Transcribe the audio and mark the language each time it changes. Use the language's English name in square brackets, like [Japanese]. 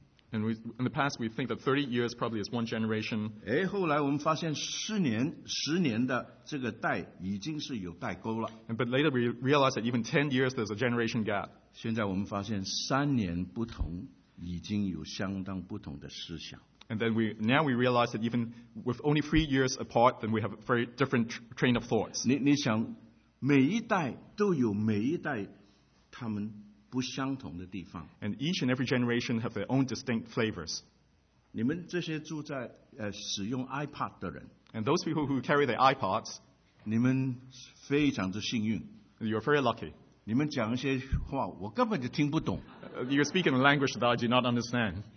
[English] And in the past, we think that 30 years probably is one generation. [Chinese] 哎，后来我们发现十年的这个代已经是有代沟了。 [English] And but later we realized that even 10 years there's a generation gap. [Chinese] 现在我们发现3年不同，已经有相当不同的思想。 [English] And then now we realize that even with only 3 years apart, then we have a very different train of thoughts. [Chinese] 你想每一代都有每一代他们不相同的地方。 [English] And each and every generation have their own distinct flavors. [Chinese] 你们这些住在, 使用 iPod的人, [English] and those people who carry their iPods, [Chinese] 你们非常的幸运, [English] you're very lucky. [Chinese] 你们讲一些话, [English] you're speaking a language that I do not understand.